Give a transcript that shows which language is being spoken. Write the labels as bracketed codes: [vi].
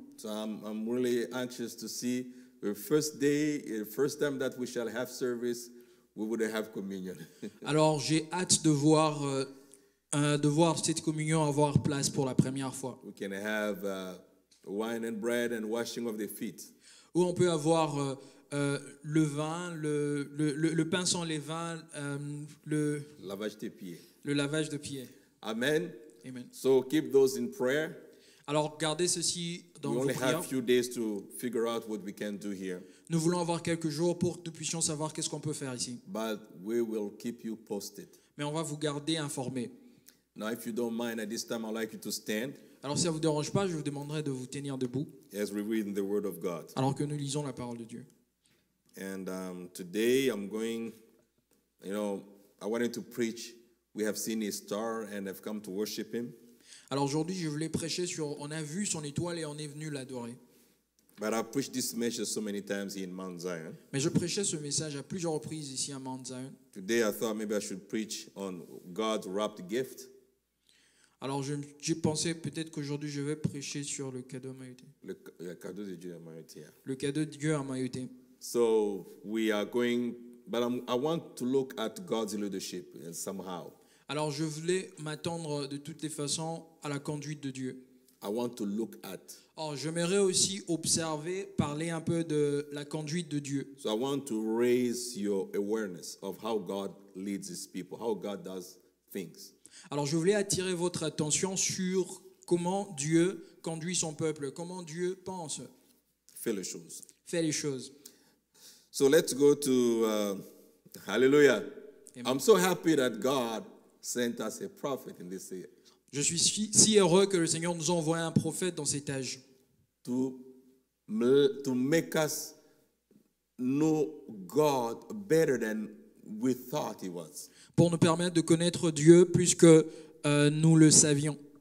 [en] So I'm really anxious to see the first day, the first time that we shall have service, we would have communion. [fr] Alors j'ai hâte de voir cette communion avoir place pour la première fois. [en] We can have wine and bread and washing of the feet. [fr] Où on peut avoir le vin, le pain sans levain, le lavage des pieds. Le lavage de pieds. [en] Amen. [fr] Amen. [en] So keep those in prayer. [fr] Alors gardez ceci dans [en] we [fr] vos [en] only [fr] prières. [en] Have few days to figure out what we can do here. [fr] Nous voulons avoir quelques jours pour que nous puissions savoir qu'est-ce qu'on peut faire ici. [en] But we will keep you posted. [fr] Mais on va vous garder informés. [en] Now, if you don't mind, at this time, I'd like you to stand. [fr] Alors, si ça vous dérange pas, je vous demanderai de vous tenir debout. [en] As we read in the Word of God. [fr] Alors que nous lisons la parole de Dieu. [en] And today, I'm going. You know, I wanted to preach. We have seen his star, and have come to worship him. [fr] Alors aujourd'hui, je voulais prêcher sur. On a vu son étoile et on est venu l'adorer. [en] But I preached this message so many times here in Mount Zion. [fr] Mais je prêchais ce message à plusieurs reprises ici à Mount Zion. [en] Today I thought maybe I should preach on God's wrapped gift. [fr] Alors j'ai pensé peut-être qu'aujourd'hui je vais prêcher sur le cadeau mailloté. Le cadeau de Dieu mailloté. Le cadeau de Dieu mailloté. [en] So we are going, but I want to look at God's leadership and somehow. [fr] Alors je voulais m'attendre de toutes les façons à la conduite de Dieu. [en] I want to look at. [fr] Oh, j'aimerais aussi observer, parler un peu de la conduite de Dieu. [en] So I want to raise your awareness of how God leads his people, how God does things. [fr] Alors je voulais attirer votre attention sur comment Dieu conduit son peuple, comment Dieu pense. Fait les choses. [en] So let's go to hallelujah. Amen. I'm so happy that God sent us a prophet in this year. [fr] Je suis si heureux que le Seigneur nous envoie un prophète dans cet âge. [en] To make us know God better than we thought he was. [fr] Pour nous permettre de connaître Dieu plus que nous le savions.